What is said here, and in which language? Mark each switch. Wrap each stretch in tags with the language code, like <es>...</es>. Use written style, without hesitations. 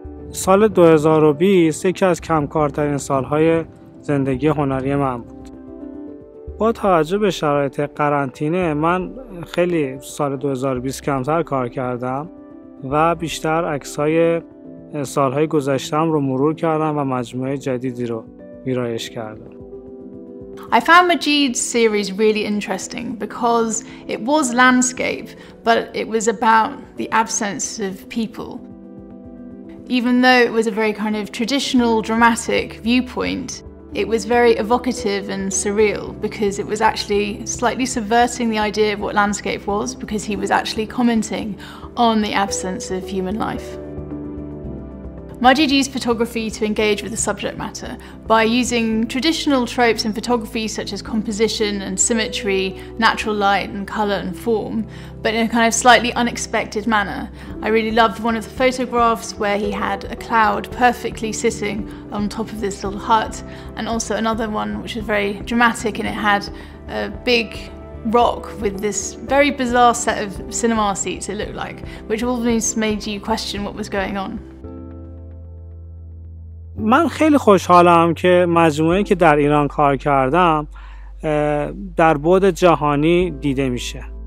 <fa>سال 2020 یکی از کمکارترین سالهای زندگی هنری من بود. با توجه به شرایط قرنطینه من خیلی سال 2020 کمتر کار کردم و بیشتر عکسای سالهای گذشتم رو مرور کردم و مجموعه جدیدی رو ویرایش کردم.</fa> <en>I found Majid's series really interesting because it was landscape, but it was about the absence of people. Even though it was a very kind of traditional dramatic viewpoint, it was very evocative and surreal because it was actually slightly subverting the idea of what landscape was, because he was actually commenting on the absence of human life. Majid used photography to engage with the subject matter by using traditional tropes in photography such as composition and symmetry, natural light and colour and form, but in a kind of slightly unexpected manner. I really loved one of the photographs where he had a cloud perfectly sitting on top of this little hut, and also another one which was very dramatic, and it had a big rock with this very bizarre set of cinema seats, it looked like, which always made you question what was going on.</en> <fa>من خیلی خوشحالم که مجموعه‌ای که در ایران کار کردم در بعد جهانی دیده میشه.</fa>